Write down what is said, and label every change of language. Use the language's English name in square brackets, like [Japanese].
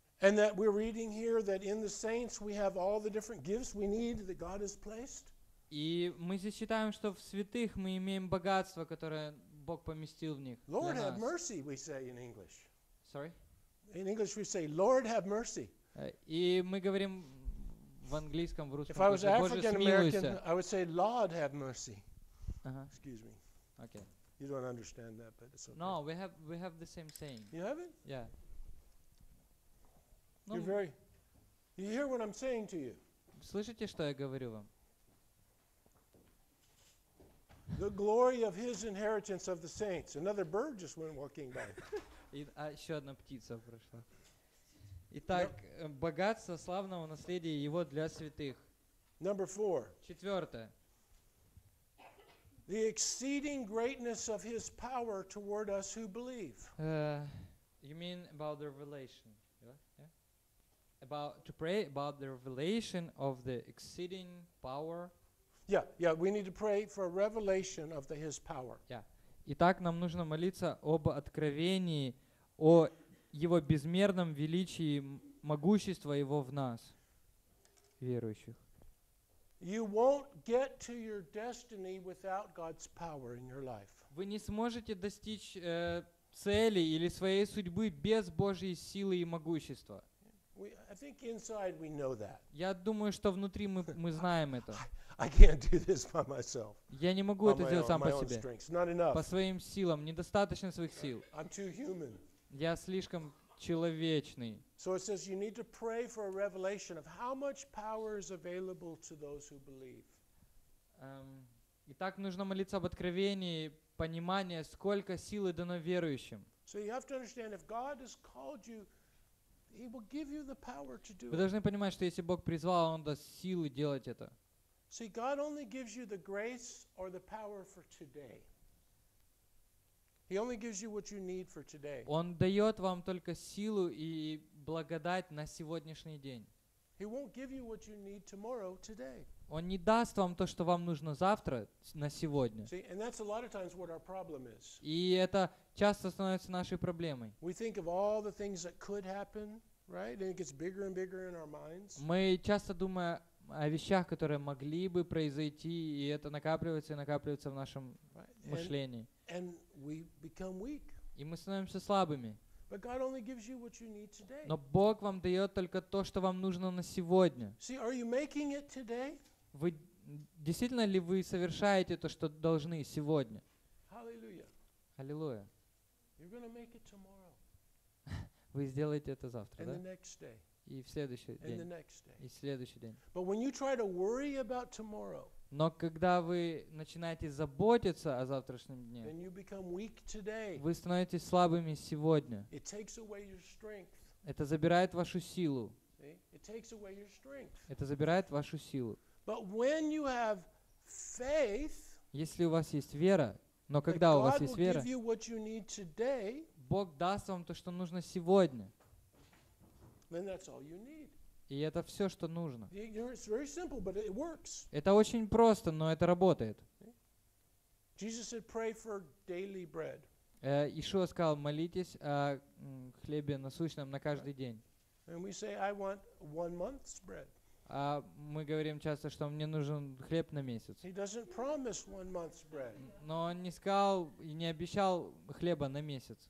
[English] And that we're reading here that in the saints we have all the different gifts we need that God has placed. [Russian] И мы здесь считаем, что в святых мы имеем богатство, которое Бог поместил в них. [English] Lord have mercy, we say in English. Sorry? In English we say, Lord have mercy. [Russian] И мы говорим в английском, в русском. [English] If I was African American, I would say, Lord have mercy. Excuse me. Okay. You don't understand that, but it's okay. No, we have the same saying. You have it? Yeah. You hear what I'm saying to you? [Russian] Слышите, что я говорю вам? [English] The glory of his inheritance of the saints. Another bird just went walking by. [Russian] Еще одна птица прошла. Итак, богатство славного наследия его для святых. [English] Number four. [Russian] Четвертое. [English] The exceeding greatness of his power toward us who believe. You mean about the revelation? Yeah? To pray about the revelation of the exceeding power. Yeah, we need to pray for a revelation of his power. Yeah. [Russian] Итак, нам нужно молиться об откровении, о его безмерном величии, могущества его в нас, верующих. [English] You won't get to your destiny without God's power in your life. [Russian] Вы не сможете достичь цели или своей судьбы без Божьей силы и могущества. [English] I think inside we know that. [Russian] Я думаю, что внутри мы знаем это. [English] I can't do this by myself. [Russian] Я не могу это сделать сам по себе. [English] Not enough. [Russian] По своим силам недостаточно своих сил. [English] I'm too human. [Russian] Я слишком человечный. [English] So it says you need to pray for a revelation of how much power is available to those who believe. [Russian] Итак, нужно молиться об откровении, понимание, сколько силы дано верующим. [English] So you have to understand if God has called you, he will give you the power to do it. [Russian] Вы должны понимать, что если Бог призвал, он даст силы делать это. [English] See, God only gives you the grace or the power for today. He only gives you what you need for today. [Russian] Он дает вам только силу и благодать на сегодняшний день. [English] He won't give you what you need tomorrow, today. [Russian] Он не даст вам то, что вам нужно завтра, на сегодня. [English] See, and that's a lot of times what our problem is. [Russian] И это часто становится нашей проблемой. [English] We think of all the things that could happen, right? And it gets bigger and bigger in our minds. [Russian] Мы часто думаем о вещах, которые могли бы произойти, и это накапливается и накапливается в нашем мышлении. [English] And we become weak. [Russian] И мы становимся слабыми. [English] But God only gives you what you need today. [Russian] Но Бог вам дает только то, что вам нужно на сегодня. [English] See, are you making it today? [Russian] Вы действительно ли вы совершаете то, что должны сегодня? [English] Hallelujah. [Russian] Аллилуйя. [English] You're gonna make it tomorrow. [Russian] Вы сделаете это завтра, [English] and [Russian] да? [English] The next day. [Russian] И в следующий [English] and [Russian] день. [English] The next day. [Russian] И в следующий день. [English] But when you try to worry about tomorrow, [Russian] но когда вы начинаете заботиться о завтрашнем дне, [English] then you become weak today. [Russian] Вы становитесь слабыми сегодня. [English] It takes away your strength. [Russian] Это забирает вашу силу. [English] It takes away your strength. [Russian] Это забирает вашу силу. [English] But when you have faith, [Russian] если у вас есть вера, но когда [English] God [Russian] у вас есть вера, [English] give you what you need today, [Russian] Бог даст вам то, что нужно сегодня. [English] Then that's all you need. [Russian] И это все, что нужно. [English] It's very simple, but it works. [Russian] Это очень просто, но это работает. [English] Jesus said, pray for daily bread. [Russian] Иисус сказал, молитесь о хлебе насущном на каждый день. [English] And we say, I want one month's bread. [Russian] А мы говорим часто, что мне нужен хлеб на месяц. [English] He doesn't promise one month's bread. [Russian] Но он не сказал и не обещал хлеба на месяц.